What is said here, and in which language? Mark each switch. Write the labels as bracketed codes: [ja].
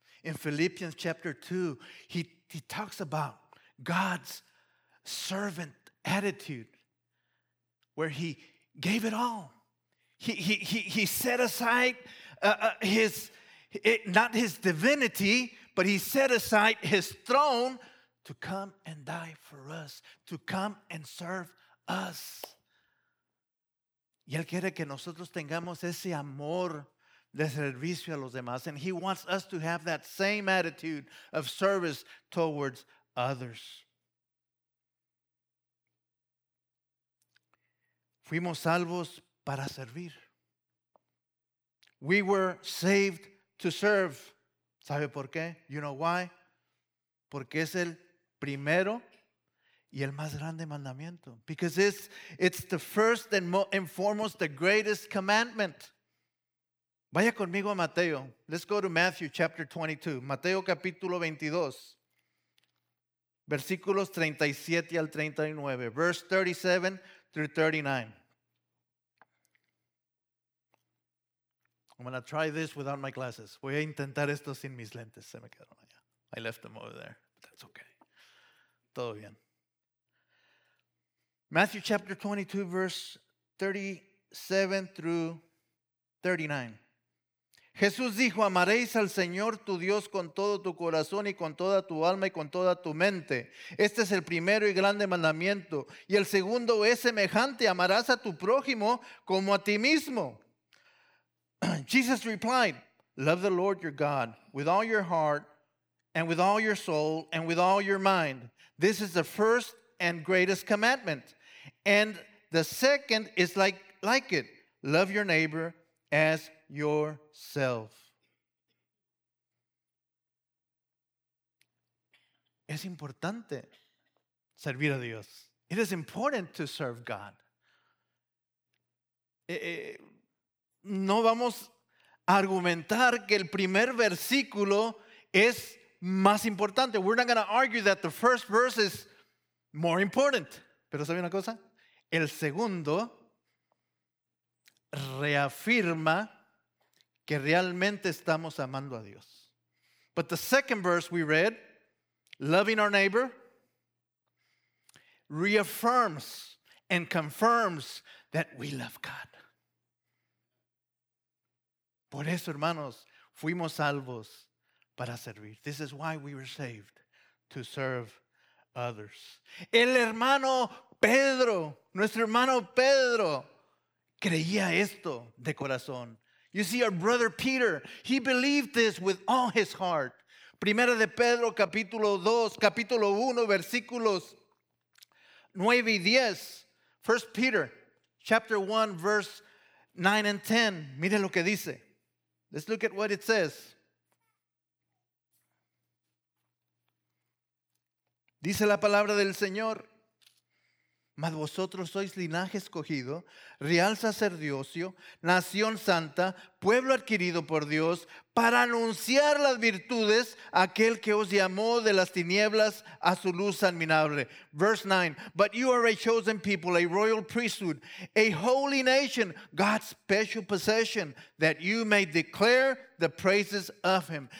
[en] In Philippians chapter 2, he talks about God's servant attitude, where he gave it all. He set aside his divinity, but he set aside his throne to come and die for us, to come and serve us. [es] Y él quiere que nosotros tengamos ese amor de servicio a los demás. [en] And he wants us to have that same attitude of service towards others. [es] Fuimos salvos para servir. [en] We were saved to serve. [es] ¿Sabe por qué? [en] You know why? [es] Porque es el primero y el más grande mandamiento. [en] Because it's the first and foremost, the greatest commandment. [es] Vaya conmigo a Mateo. [en] Let's go to Matthew chapter 22. [es] Mateo capítulo 22. Versículos 37 al 39. [en] Verse 37 through 39. I'm going to try this without my glasses. [es] Voy a intentar esto sin mis lentes. Se me quedaron allá. [en] I left them over there. But that's okay. [es] Todo bien. [en] Matthew chapter 22, verse 37 through 39. [es] Jesús dijo, amaréis al Señor tu Dios con todo tu corazón y con toda tu alma y con toda tu mente. Este es el primero y grande mandamiento. Y el segundo es semejante, amarás a tu prójimo como a ti mismo. [en] Jesus replied, love the Lord your God with all your heart and with all your soul and with all your mind. This is the first and greatest commandment. And the second is like it. Love your neighbor as yourself. [es] Es importante servir a Dios. [en] It is important to serve God. [es] No vamos a argumentar que el primer versículo es más importante. [en] We're not going to argue that the first verse is more important. [es] Pero ¿sabe una cosa? El segundo reafirma que realmente estamos amando a Dios. [en] But the second verse we read, loving our neighbor, reaffirms and confirms that we love God. [es] Por eso, hermanos, fuimos salvos para servir. [en] This is why we were saved, to serve others. [es] El hermano Pedro, nuestro hermano Pedro, creía esto de corazón. [en] You see, our brother Peter, he believed this with all his heart. [es] Primera de Pedro, capítulo 2, capítulo 1, versículos 9 y 10. [en] First Peter, chapter 1, verse 9 and 10. [es] Mire lo que dice. [en] Let's look at what it says. [es] Dice la palabra del Señor. Mas vosotros sois linaje escogido, real sacerdocio, nación santa, pueblo adquirido por Dios, para anunciar las virtudes a aquel que os llamó de las tinieblas a su luz admirable. [en] Verse 9, but you are a chosen people, a royal priesthood, a holy nation, God's special possession, that you may declare the praises of him.